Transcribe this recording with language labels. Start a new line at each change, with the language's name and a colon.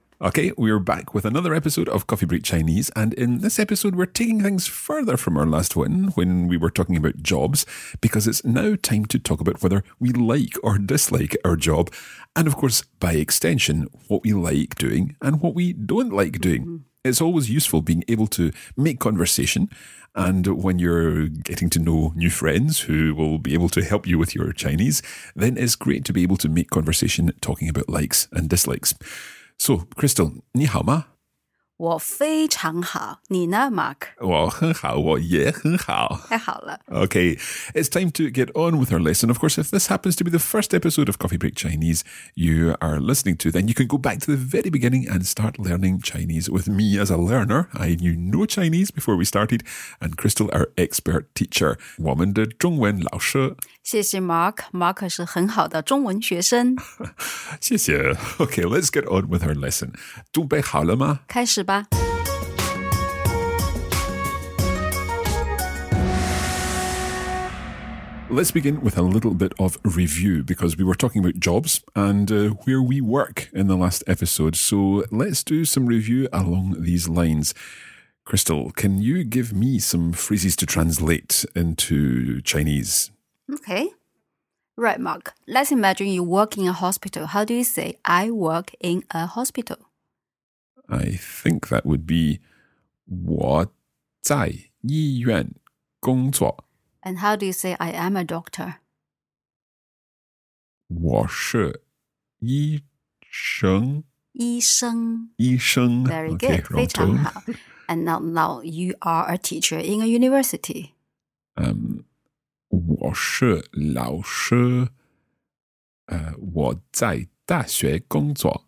English: Okay, we're back with another episode of Coffee Break Chinese, and in this episode we're taking things further from our last one when we were talking about jobs, because it's now time to talk about whether we like or dislike our job, and of course, by extension, what we like doing and what we don't like doing. Mm-hmm. It's always useful being able to make conversation, and when you're getting to know new friends who will be able to help you with your Chinese, then it's great to be able to make conversation talking about likes and dislikes.
Chinese: So, Crystal, 你好吗? 我非常好,你呢, Mark? 我很好,我也很好。太好了。
English: Okay, it's time to get on with our lesson. Of course, if this happens to be the first episode of Coffee Break Chinese you are listening to, then you can go back to the very beginning and start learning Chinese with me as a learner. I knew no Chinese before we started, and Crystal, our expert teacher.
Chinese: 我们的中文老师。谢谢 Mark, Mark 是很好的中文学生。谢谢。
English: Okay, let's get on with our lesson.
Chinese: 准备好了吗? 开始吧。
English: Let's begin with a little bit of review, because we were talking about jobs and where we work in the last episode. So let's do some review along these lines. Crystal, can you give me some phrases to translate into Chinese? Okay. Right, Mark. Let's imagine you work in a hospital. How do you say, I work in a hospital? I think that would be,
Chinese: 我在医院工作。
English: And how do you say, I am a doctor?
Chinese: 我是医生。医生。医生。
English: Very good. Okay,
Chinese: 非常好。
English: And now you are a teacher in a university.
Chinese: 我是老师，我在大学工作。